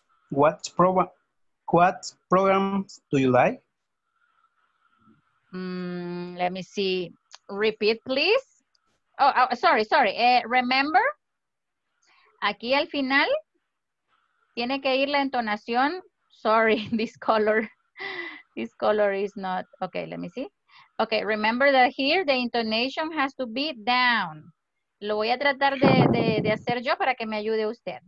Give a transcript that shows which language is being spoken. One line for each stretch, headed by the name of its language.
English: What programs do you like? Let me see. Repeat, please. Sorry.
Spanish: Remember, aquí al final tiene que ir la entonación.
English: Sorry, this color is not. Okay, let me see. Okay, remember that here the intonation has to be down.
Spanish: Lo voy a tratar de hacer yo para que me ayude usted.